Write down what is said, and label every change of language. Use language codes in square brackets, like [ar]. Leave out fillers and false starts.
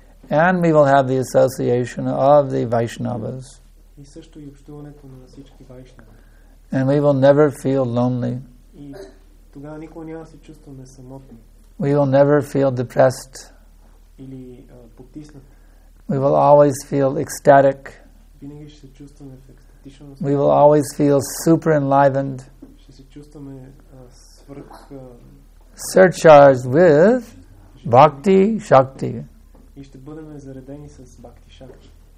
[en] And we will have the association of the Vaishnavas. [bg] И също и общуването на всички вайшнави. [en] And we will never feel lonely. [bg] И тогава никога няма да се чувстваме самотни. [en] We will never feel depressed. [bg] Или потиснат. [en] We will always feel ecstatic. [bg] Винаги ще се чувстваме в екстатично състояние. [en] We will always feel super enlivened. [bg] Ще се чувстваме свръх [en] surcharged with bhakti shakti. [bg] И ще бъдем заредени с bhakti shakti.